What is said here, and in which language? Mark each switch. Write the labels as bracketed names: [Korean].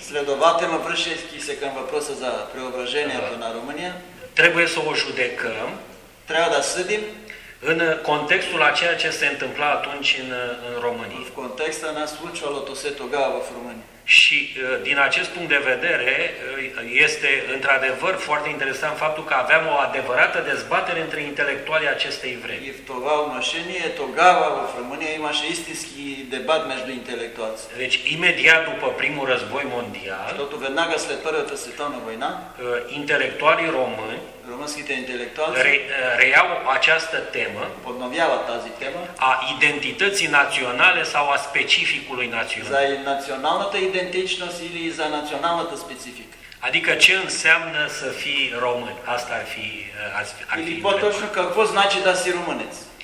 [Bulgarian] следователно връщайки се към въпроса за преображението на România, [Romanian] trebuie să o judecăm, [Bulgarian] трябва да съдим, [Romanian] în contextul a ceea ce se întâmpla atunci în România. [Bulgarian] В контекста на случилото се тогава в Румъния. [Romanian] Și din acest punct de vedere este într-adevăr foarte interesant faptul că aveam o adevărată dezbatere între intelectualii acestei vremi. [Bulgarian] И в това отношение тогава в Румъния имаше истински дебат между интелектуалци. [Romanian] Deci imediat după primul război mondial, [Bulgarian] защото веднага след Първата световна война, [Romanian] intelectualii români, [Bulgarian] румънските интелектуалци, [Romanian] reiau această temă, [Bulgarian] подновяват тази тема, [Romanian] a identității naționale sau a specificului național. [Bulgarian] За националната идентичност или за националната специфика. [Romanian] Adică ce înseamnă să fii român? Asta ar fi [Bulgarian] или по-точно какво значи да си румънец?